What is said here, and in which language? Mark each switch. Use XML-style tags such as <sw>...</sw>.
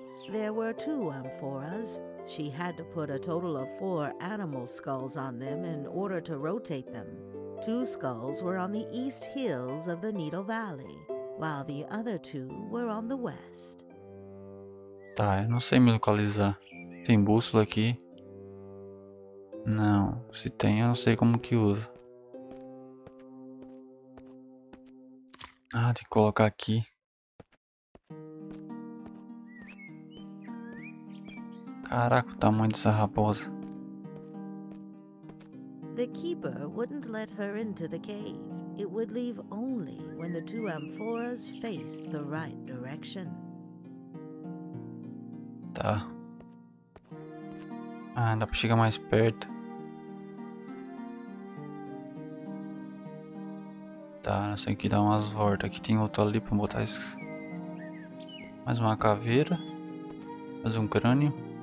<en>There were two amphoras. She had to put a total of 4 animal skulls on them in order to rotate them. 2 skulls were on the east hills of the Needle Valley, while the other 2 were on the west.</en> <pt>Tá, eu não sei me localizar. Tem bússola aqui? Não, se tem, eu não sei como que usa. Ah, tem que colocar aqui. Caraca, o tamanho dessa raposa.</pt> <en>The keeper wouldn't let her into the cave. It would leave only when the 2 amphoras faced the right direction.</en> <pt>Tá. Ah, dá pra chegar mais perto. Tá, tem que dar umas voltas. Aqui tem outro ali pra botar esses. Mais uma caveira. Mais um crânio.</pt>